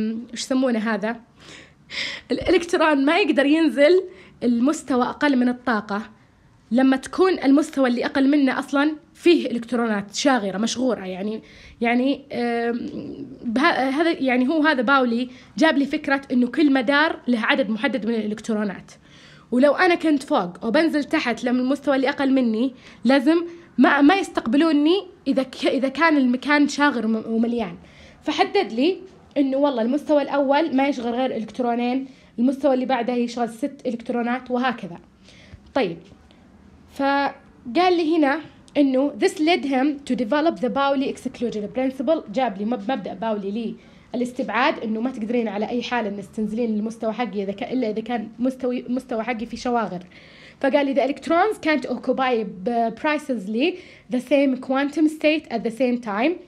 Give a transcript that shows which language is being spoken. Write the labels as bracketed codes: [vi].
[ar] ايش يسمونه هذا الالكترون ما يقدر ينزل المستوى اقل من الطاقه لما تكون المستوى اللي اقل منه اصلا فيه الكترونات شاغره مشغوره يعني هذا يعني هو هذا باولي جاب لي فكره انه كل مدار له عدد محدد من الالكترونات، ولو انا كنت فوق وبنزل تحت لما المستوى اللي اقل مني لازم ما يستقبلوني اذا كان المكان شاغر ومليان. فحدد لي انه والله المستوى الاول ما يشغل غير الكترونين، المستوى اللي بعده يشغل 6 الكترونات وهكذا. طيب فقال لي هنا انه [en] this led him to develop the Pauli exclusion principle. [ar] جاب لي مبدا باولي لي الاستبعاد، انه ما تقدرين على اي حال ان تنزلين المستوى حقي اذا الا اذا كان مستوى حقي في شواغر. فقال لي [en] the electrons can't occupy precisely the same quantum state at the same time.